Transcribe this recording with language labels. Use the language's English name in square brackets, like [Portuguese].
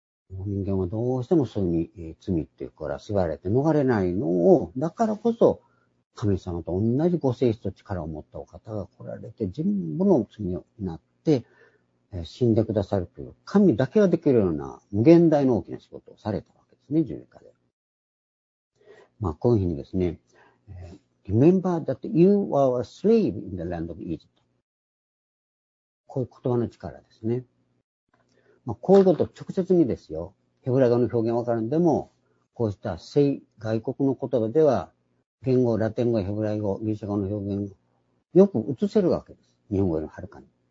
[Japanese] 人間はどうしてもそういうふうに罪っていうから縛られて逃れないのを、だからこそ神様と同じご性質と力を持ったお方が来られて全部の罪になって死んでくださるという神だけができるような無限大の大きな仕事をされたわけですね、十字架で。まあこういうふうにですね、 [English] Remember that you were a slave in the land of Egypt. [Japanese] こういう言葉の力ですね。まあ、こういうこと直接にですよ。ヘブラ語の表現わかるんでも、こうした外国の言葉では、言語、ラテン語、ヘブライ語、ギリシャ語の表現をよく映せるわけです。日本語よりはるかに。